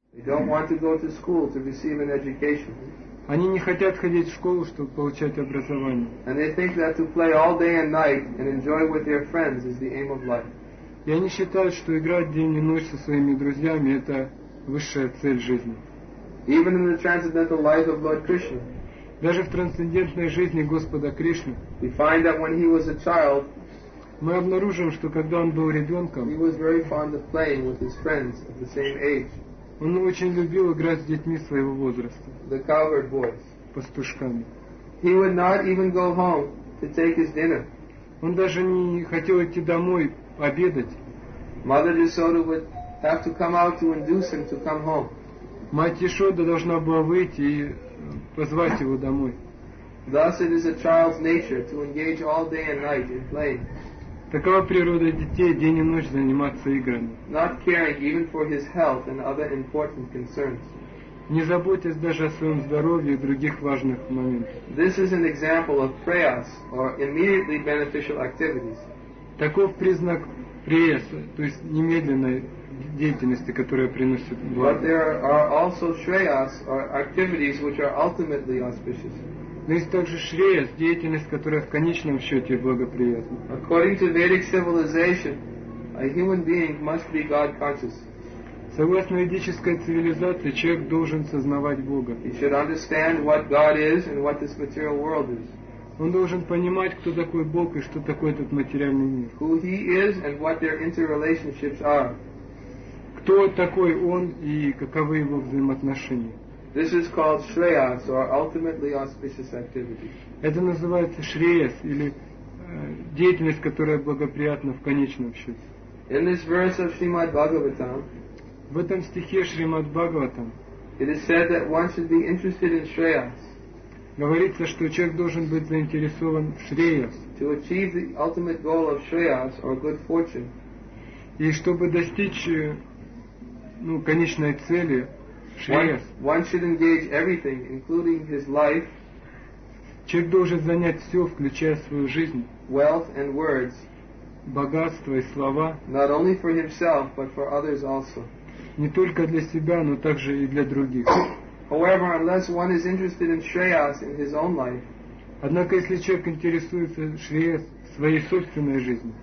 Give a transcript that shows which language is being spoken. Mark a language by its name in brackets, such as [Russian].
[English] They don't want to go to school to receive an education. [Russian] Они не хотят ходить в школу, чтобы получать образование. [English] And they think that to play all day and night and enjoy with their friends is the aim of life. [Russian] И они считают, что играть день и ночь со своими друзьями — это высшая цель жизни. [English] Even in the transcendental life of Lord Krishna. [Russian] Даже в трансцендентной жизни Господа Кришны. [English] We find that when he was a child. [Russian] Мы обнаружим, что когда он был ребенком, [English] he was very fond of playing with his friends of the same age. [Russian] Он очень любил играть с детьми своего возраста. [English] The cowherd boys. [Russian] Пастушками. [English] He would not even go home to take his dinner. [Russian] Он даже не хотел идти домой обедать. [English] Mother Yashoda would have to come out to induce him to come home. [Russian] Мать Яшода должна была выйти и позвать его домой. [English] Thus it is a child's nature to engage all day and night in playing. [Russian] Такова природа детей, день и ночь заниматься играми. [English] Not caring even for his health and other important concerns. [Russian] Не заботясь даже о своем здоровье и других важных моментах. [English] This is an example of prayas, or immediately beneficial activities. [Russian] Таков признак прияс, то есть немедленной деятельности, которая приносит благо. [English] But there are also shreyas, or activities which are ultimately auspicious. [Russian] Но есть также шреяс, деятельность, которая в конечном счете благоприятна. [English] According to Vedic civilization, a human being must be God conscious. [Russian] Согласно ведической цивилизации, человек должен сознавать Бога. [English] He should understand what God is and what this material world is. [Russian] Он должен понимать, кто такой Бог и что такое этот материальный мир. [English] Who he is and what their interrelationships are. [Russian] Кто такой он и каковы его взаимоотношения. [English] This is called shreyas, or ultimately auspicious activity. [Russian] Это называется шреяс, или деятельность, которая благоприятна в конечном счете. [English] In this verse of Srimad Bhagavatam, [Russian] в этом стихе Шримад Бхагаватам, [English] it is said that one should be interested in shreyas. [Russian] Говорится, что человек должен быть заинтересован в шреяс. [English] To achieve the ultimate goal of shreyas, or good fortune. [Russian] И чтобы достичь, ну, конечной цели, [English] One should engage everything, including his life. [Russian] Человек должен занять все, включая свою жизнь. [English] Wealth and words. [Russian] Богатство и слова. [English] Not only for himself, but for others also. [Russian] Не только для себя, но также и для других. [English] However, unless one is interested in shreyas in his own life. [Russian] Однако, если человек интересуется шреяс в своей собственной жизни.